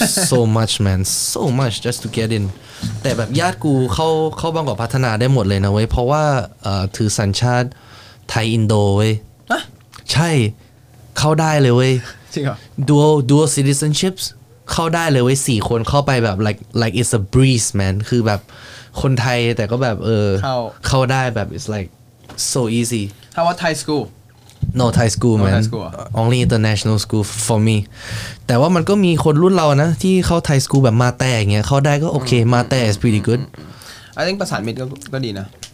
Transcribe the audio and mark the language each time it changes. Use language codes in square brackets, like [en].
[en] so much man so much just to get in [th] แต่แบบญาติกูเข้าบางกอกพัฒนาได้หมดเลยนะเว้ยเพราะว่าถือสัญชาติไทยอินโดเว้ยใช่เข้าได้เลยเว้ย จริงเหรอ dual citizenships เข้าได้เลยเว้ย4คนเข้าไปแบบ [en] like it's a breeze man [th] คือแบบคนไทยแต่ก็แบบ เข้า ได้แบบ [en] it's like so easy how about Thai school no Thai school no man Thai school. Only international school for me [th] แต่ว่ามันก็มีคนรุ่นเรานะที่เข้า [en] Thai school [th] แบบมาแต่อย่างเงี้ยเข้าได้ก็โอเคมาแต่ [en] is pretty good [th] I think ภาษามิตรก็ดีนะ